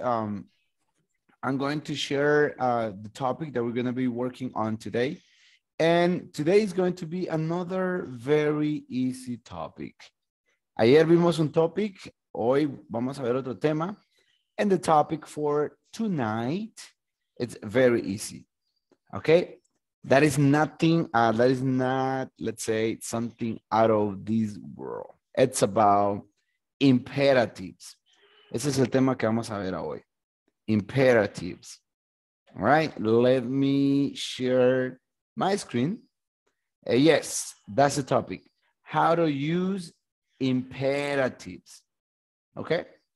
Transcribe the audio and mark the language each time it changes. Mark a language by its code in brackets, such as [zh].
[en] I'm going to share the topic that we're going to be working on today. And today is going to be another very easy topic. [es] Ayer vimos un topic, hoy vamos a ver otro tema. [en] And the topic for tonight, it's very easy, okay? That is nothing, that is not, let's say, something out of this world. It's about imperatives. [es] Ese es el tema que vamos a ver hoy. [en] Imperatives. All right, let me share my screen. Yes, that's the topic. How to use imperatives. Okay?